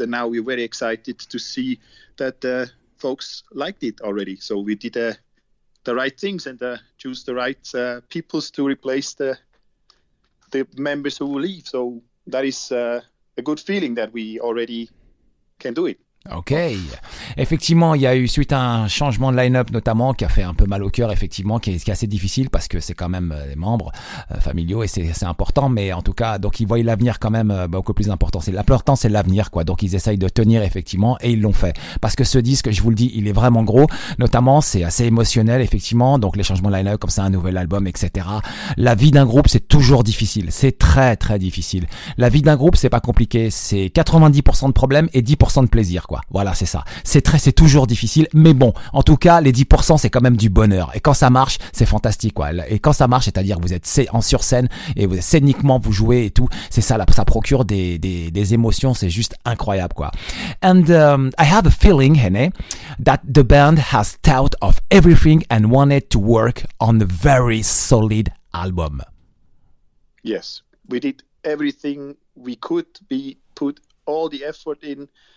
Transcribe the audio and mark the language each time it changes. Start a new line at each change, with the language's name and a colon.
English: And now we're very excited to see that folks liked it already. So we did the right things and choose the right peoples to replace the members who will leave. So that is a good feeling that we already can do it. Ok.
French: Effectivement, il y a eu suite à un changement de line-up notamment qui a fait un peu mal au cœur, effectivement, qui est assez difficile parce que c'est quand même des membres familiaux et c'est important. Mais en tout cas, donc ils voient l'avenir quand même beaucoup plus important. C'est l'important, c'est l'avenir, quoi. Donc ils essayent de tenir effectivement et ils l'ont fait. Parce que ce disque, je vous le dis, il est vraiment gros. Notamment, c'est assez émotionnel, effectivement. Donc les changements de line-up, comme ça, un nouvel album, etc. La vie d'un groupe, c'est toujours difficile. C'est très très difficile. La vie d'un groupe, c'est pas compliqué. C'est 90% de problèmes et 10% de plaisir, quoi. Voilà, c'est ça. C'est toujours difficile, mais bon, en tout cas, les 10%, c'est quand même du bonheur. Et quand ça marche, c'est fantastique, quoi. Et quand ça marche, c'est-à-dire que vous êtes en sur scène et vous scéniquement vous jouez et tout, c'est ça, là, ça procure des émotions, c'est juste incroyable, quoi.
English: And I have a feeling, Henne, that the band has thought of everything and wanted to work on a very solid album. Yes, we did everything we could. We put all the effort in.